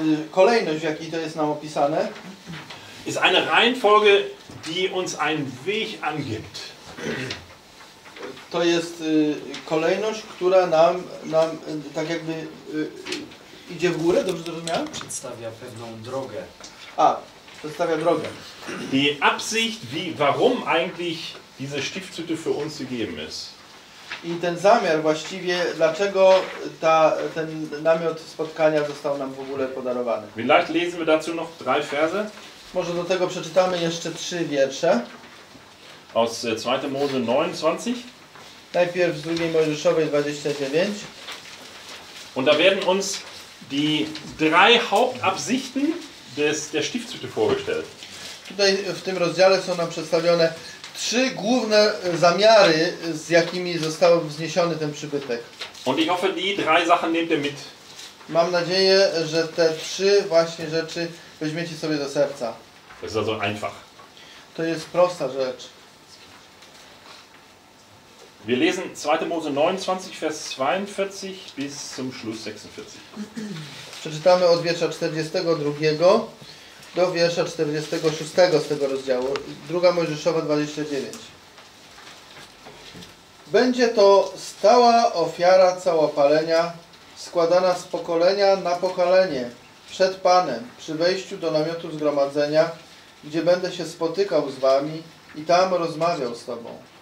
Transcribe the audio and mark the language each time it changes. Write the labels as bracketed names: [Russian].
[Polish] Kolejność, w jakiej to jest nam opisane. [German] Ist eine Reihenfolge, die uns einen Weg angibt. [Polish] To jest kolejność, która nam tak jakby idzie w górę, dobrze zrozumiałem? Przedstawia pewną drogę. A, przedstawia drogę. [German] Die Absicht, wie, warum eigentlich diese Stiftshütte für uns gegeben ist. [Polish] I ten zamiar właściwie, dlaczego ten namiot spotkania został nam w ogóle podarowany. [German] Vielleicht lesen wir dazu noch drei Verse. [Polish] Może do tego przeczytamy jeszcze trzy wiersze. [German] Aus 2. Mose 29. [Polish] Najpierw z 2. Mojżeszowej 29. [German] Und da werden uns die drei Hauptabsichten der Stiftshütte vorgestellt. [Polish] Tutaj w tym rozdziale są nam przedstawione trzy główne zamiary, z jakimi został wzniesiony ten przybytek. [German] Und ich hoffe, die drei Sachen nehmt ihr mit. [Polish] Mam nadzieję, że te trzy właśnie rzeczy weźmiecie sobie do serca. [German] Das ist also einfach. [Polish] To jest prosta rzecz. [German] Wir lesen 2. Mose 29, Vers 42 bis zum Schluss 46. [Polish] Przeczytamy od wiersza 42 do wiersza 46 z tego rozdziału. 2. Mojżeszowa 29. Będzie to stała ofiara całopalenia, składana z pokolenia na pokolenie, przed Panem, przy wejściu do namiotu zgromadzenia, gdzie będę się spotykał z wami i tam rozmawiał z tobą.